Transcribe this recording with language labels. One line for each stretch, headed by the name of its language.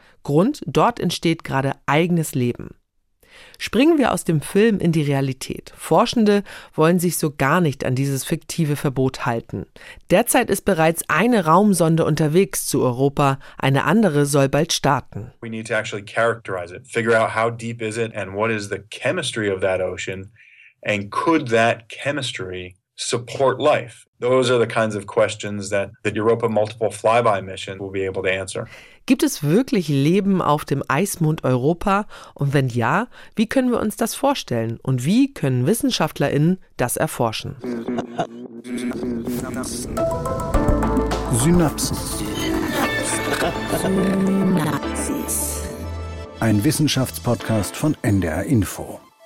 German: Grund, dort entsteht gerade eigenes Leben. Springen wir aus dem Film in die Realität. Forschende wollen sich so gar nicht an dieses fiktive Verbot halten. Derzeit ist bereits eine Raumsonde unterwegs zu Europa, eine andere soll bald starten.
English: We need to actually characterize it, figure out how deep is it and what is the chemistry of that ocean and could that chemistry support life? Those are the kinds of questions that the Europa Multiple Flyby Mission will be able to answer.
German: Gibt es wirklich Leben auf dem Eismond Europa? Und wenn ja, wie können wir uns das vorstellen? Und wie können WissenschaftlerInnen das erforschen? Synapsen. Synapsen. Ein Wissenschaftspodcast von NDR Info.